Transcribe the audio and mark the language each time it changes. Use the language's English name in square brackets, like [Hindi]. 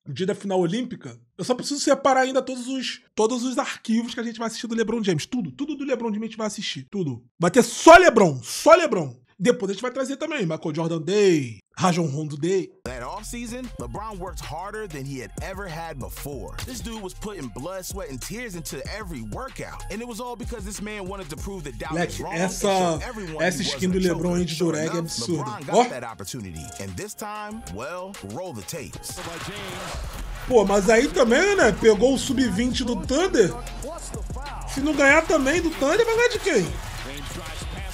[Portuguese] O dia da final olímpica, eu só preciso separar ainda todos os arquivos que a gente vai assistir do LeBron James, tudo, tudo do LeBron James a gente vai assistir, tudo. Vai ter só LeBron. Depois a gente vai trazer também Michael Jordan Day, Rajon Rondo Day. [English] That offseason, LeBron worked harder than he had ever had before. This dude was putting blood, sweat, and tears into every workout. And it was all because this man wanted to prove that doubt was wrong. [Portuguese] Essa skin do LeBron de Durag é absurda. [English] LeBron got that opportunity. And this time, well, roll the tapes. [Portuguese] Pô, mas aí também, né? Pegou o sub-20 do Thunder. Se não ganhar também do Thunder, vai ganhar de quem?